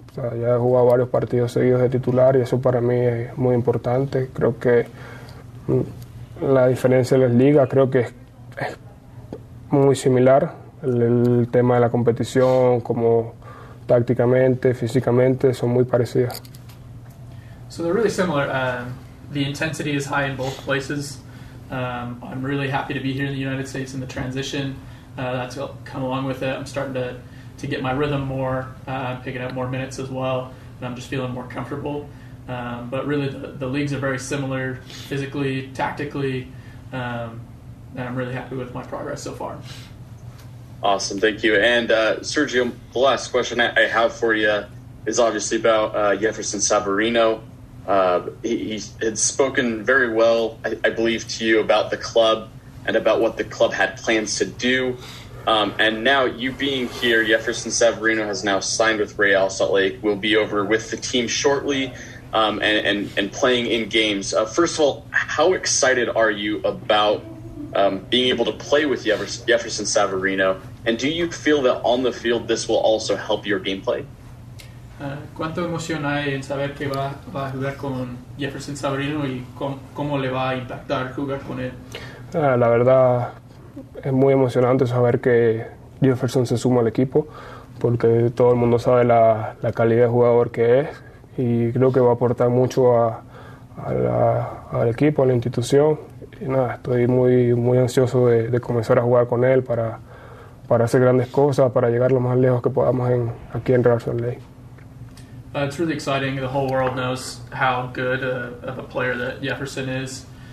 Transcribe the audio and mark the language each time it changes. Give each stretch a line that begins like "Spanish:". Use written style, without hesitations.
Spanish: O sea, ya he jugado varios partidos seguidos de titular y eso para mí es muy importante. Creo que la diferencia de las ligas, creo que es muy similar el tema de la competición, como tácticamente, físicamente, son muy parecidas.
English: So they're really similar. The intensity is high in both places. I'm really happy to be here in the United States in the transition. That's come along with it. I'm starting to get my rhythm more, picking up more minutes as well, and I'm just feeling more comfortable. But really, the leagues are very similar physically, tactically. And I'm really happy with my progress so far. Awesome, thank you. And Sergio, the last question I have for you is obviously about Jefferson Savarino. He had spoken very well, I believe, to you about the club and about what the club had plans to do. And now you being here, Jefferson Severino has now signed with Real Salt Lake, will be over with the team shortly and playing in games. First of all, how excited are you about being able to play with Jefferson Severino? And do you feel that on the field this will also help your gameplay?
Spanish: ¿Cuánto emoción hay en saber que va a jugar con Jefferson Severino y cómo le va a impactar jugar con él? La verdad, es muy emocionante saber que Jefferson se suma al equipo porque todo el mundo sabe la calidad de jugador que es y creo que va a aportar mucho al equipo, a la institución. Y nada, estoy muy, muy ansioso de comenzar a jugar con él para hacer grandes cosas, para llegar lo más lejos que podamos aquí en Real Salt Lake.
English: It's really exciting. The whole world knows how good of a player that Jefferson is.